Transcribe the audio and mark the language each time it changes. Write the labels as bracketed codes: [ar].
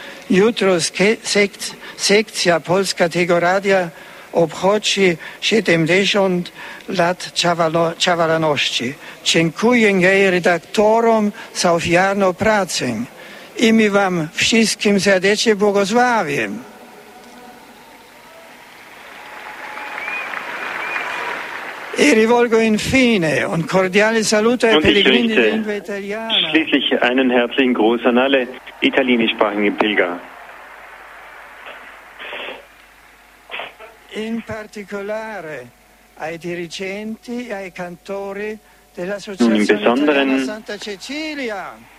[pl] Jutro sekcja polska tego radia obchodzi 70 lat czawalności. Dziękuję jej redaktorom za ofiarną pracę i mi wam wszystkim serdecznie błogosławię. [it] I rivolgo infine un cordiale saluto ai pellegrini di lingua italiana. [de] Schließlich einen herzlichen Gruß an alle italienischsprachigen Pilger. [it] In particolare ai dirigenti e ai cantori dell'Associazione Italiana Santa Cecilia.